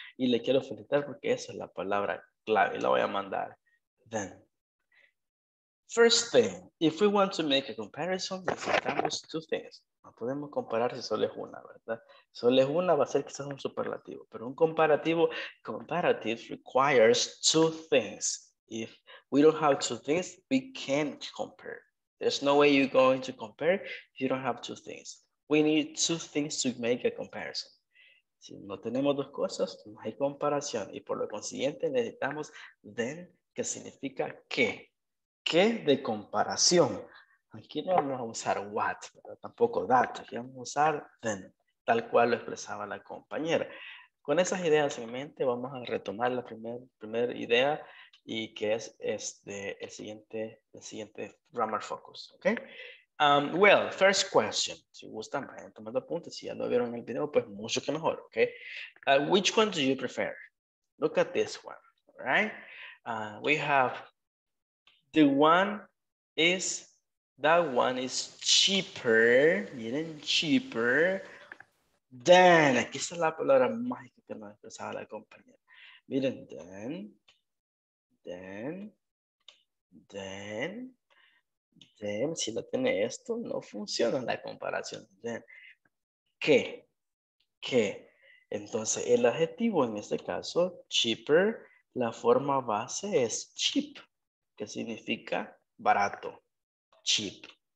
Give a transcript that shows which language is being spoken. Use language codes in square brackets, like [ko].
[es] Y le quiero felicitar porque esa es la palabra clave. La voy a mandar. Then. [en] First thing, if we want to make a comparison, [es] necesitamos [en] two things. [es] No podemos comparar si solo es una, ¿verdad? Solo es una, va a ser quizás un superlativo. Pero un comparativo, [en] comparative requires two things. If we don't have two things, we can't compare. There's no way you're going to compare if you don't have two things. We need two things to make a comparison. [es] Si no tenemos dos cosas, no hay comparación. Y por lo consiguiente necesitamos then, que significa que. ¿Qué de comparación? Aquí no vamos a usar what, pero tampoco that. Aquí vamos a usar then, tal cual lo expresaba la compañera. Con esas ideas en mente, vamos a retomar la primera idea y que es el siguiente grammar focus. ¿Okay? [en] Well, first question. [es] Si gustan, vayan tomando apuntes. Si ya lo vieron en el video, pues mucho que mejor. [en] ¿Okay? Which one do you prefer? Look at this one. Right? We have the one is, that one is cheaper, miren, cheaper than. [es] Aquí está la palabra mágica que nos expresaba la compañía. Miren, then. Si la tiene esto, no funciona la comparación. [en] Then. [es] ¿Qué? Entonces, el adjetivo en este caso, cheaper, la forma base es cheap, que significa barato, cheap.